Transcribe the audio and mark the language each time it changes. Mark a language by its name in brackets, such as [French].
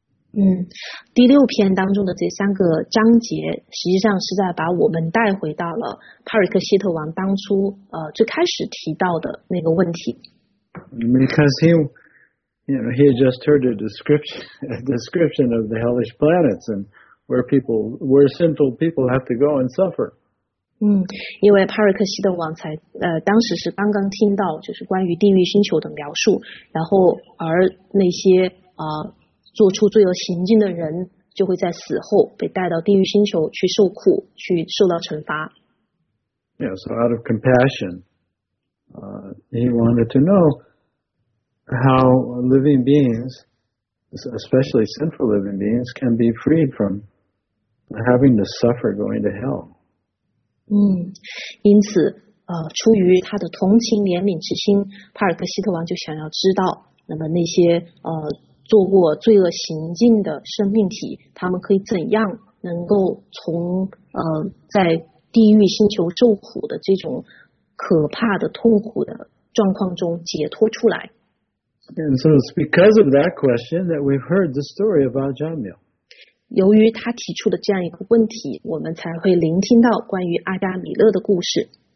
[Chinese] 第六篇当中的这三个章节实际上是在把我们带回到了帕瑞克希特王当初最开始提到的那个问题。 [English] Because he had just heard a description of the hellish planets and where sinful people have to go and suffer. [Chinese] 因为帕瑞克希特王才当时是刚刚听到就是关于地狱星球的描述，然后而那些做出罪恶行径的人就会在死后被带到地狱星球去受苦，去受到惩罚。 [English] Yeah, so out of compassion, he wanted to know how living beings, especially sinful living beings, can be freed from having to suffer going to hell. [Chinese] 因此出于他的同情怜悯之心，帕尔克希特王就想要知道，那么那些做过罪恶行径的生命体，他们可以怎样能够从在地狱星球受苦的这种可怕的痛苦的状况中解脱出来。 [English] And so it's because of that question that we've heard the story of Ajamil. [Chinese] 由于他提出的这样一个问题，我们才会聆听到关于阿加米勒的故事。